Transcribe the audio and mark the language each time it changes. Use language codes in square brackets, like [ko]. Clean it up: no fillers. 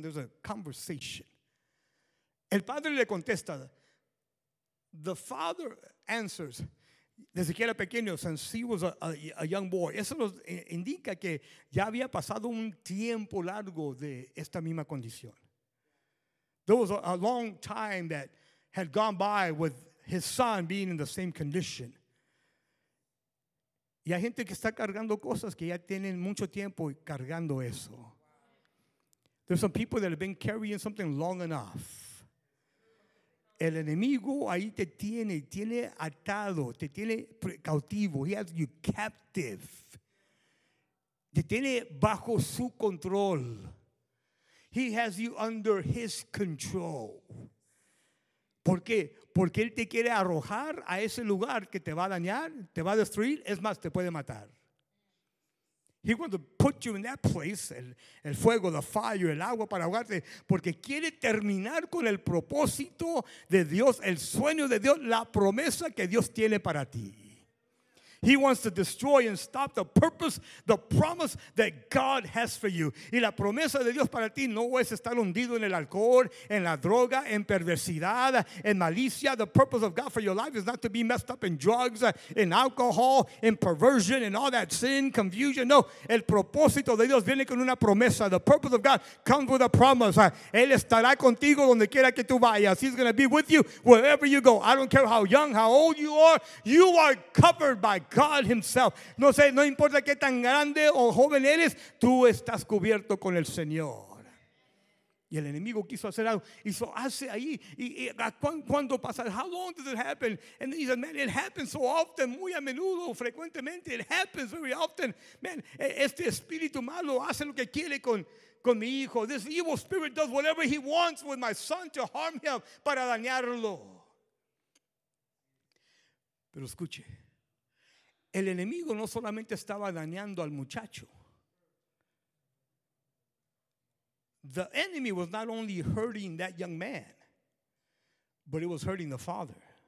[en] There's a conversation. [es] El padre le contesta. [en] The father answers. [es] Desde que era pequeño, [en] since he was a young boy. [es] Eso nos indica que ya había pasado un tiempo largo de esta misma condición. [en] There was a long time that had gone by with his son being in the same condition. [es] Y hay gente que está cargando cosas que ya tienen mucho tiempo cargando eso. [en] There's some people that have been carrying something long enough. [es] El enemigo ahí te tiene, tiene atado, te tiene cautivo. [en] He has you captive. [es] Te tiene bajo su control. [en] He has you under his control. [es] ¿Por qué? Porque él te quiere arrojar a ese lugar que te va a dañar, te va a destruir, es más, te puede matar. [en] He wants to put you in that place, [es] el fuego, [en] the fire, [es] el agua para ahogarte, porque quiere terminar con el propósito de Dios, el sueño de Dios, la promesa que Dios tiene para ti. [en] He wants to destroy and stop the purpose, the promise that God has for you. [es] Y la promesa de Dios para ti no es estar hundido en el alcohol, en la droga, en perversidad, en malicia. [en] The purpose of God for your life is not to be messed up in drugs, in alcohol, in perversion, in all that sin, confusion. [es] No, el propósito de Dios viene con una promesa. [en] The purpose of God comes with a promise. [es] Él estará contigo donde quiera que tú vayas. [en] He's going to be with you wherever you go. I don't care how young, how old you are covered by God himself. [es] No sé, no importa qué tan grande o joven eres, tú estás cubierto con el Señor. Y el enemigo quiso hacer algo, hizo hace ahí y cuando pasa, [en] how long does it happen? And he said, man, it happens so often, [es] muy a menudo, frecuentemente, [en] it happens very often. [es] Man, este espíritu malo hace lo que quiere con mi hijo. [en] This evil spirit does whatever he wants with my son to harm him, [es] para dañarlo. Pero escuche, el enemigo no solamente estaba dañando al muchacho. [en] The enemy was not only hurting that young man, but it was hurting the father.